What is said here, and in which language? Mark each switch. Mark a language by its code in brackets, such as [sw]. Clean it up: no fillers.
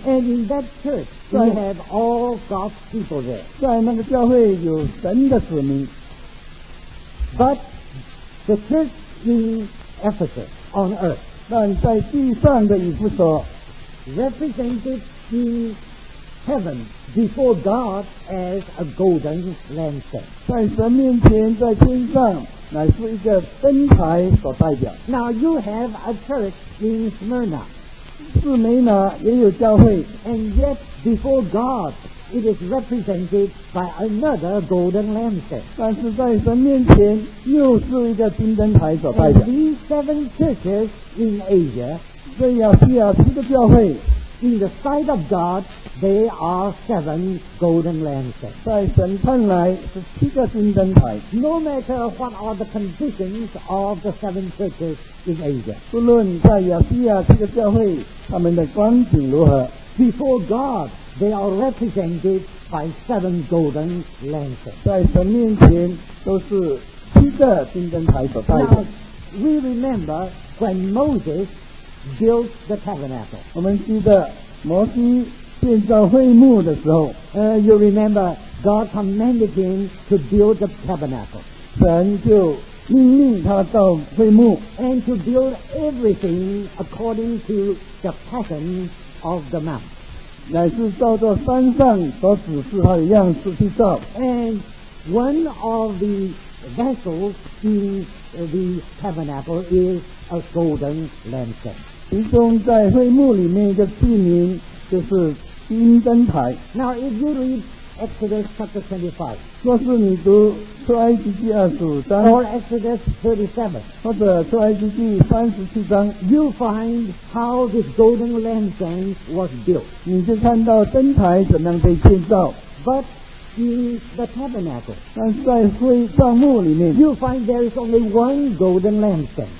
[en] And in that church We have all God's people there [zh] 在那个教会有神的子民 [en] But the church in Ephesus on earth [zh] 但在地上的以弗所 [en] Represented inHeaven before God as a golden lantern. [zh] 在神面前，在天上乃是一个灯台所代表。 [en] Now you have a church in Smyrna. [zh] 士美拿也有教会。 [en] And yet before God, it is represented by another golden lantern. [zh] 但是在神面前，又是一个金灯台所代表。 [en] And these seven churches in Asia, [zh] 这亚细亚七个教会。 [en] In the sight of God, they are seven golden lanterns. [zh] 在神看来是七个金灯台。 [en] No matter what are the conditions of the seven churches in Asia. [zh] 不论在亚细亚七个教会他们的光景如何。 [en] Before God, they are represented by seven golden lanterns. [zh] 在神面前都是七个金灯台所代表。 [en] Now, we remember when Moses built the tabernacle. [zh] 我们记得摩西建造会幕的时候 [en] you remember God commanded him to build the tabernacle. [zh] 神就命令他造会幕 [en] and to build everything according to the pattern of the mount. [zh] 乃是照着山上所指示他的样式去造 [en] and one of the vessels in the tabernacle is a golden lantern. [zh] 其中在会幕里面一个器皿就是金灯台。 [en] Now, if you read Exodus chapter 25, [zh] 若是你读出埃及记二十五章 [en] or Exodus 37, [zh] 或者出埃及记三十七章 [en] you find how this golden lantern was built. [zh] 你就看到灯台怎样被建造。 [en] But in the tabernacle, [zh] 但在会帐幕里面 [en] you find there is only one golden lantern.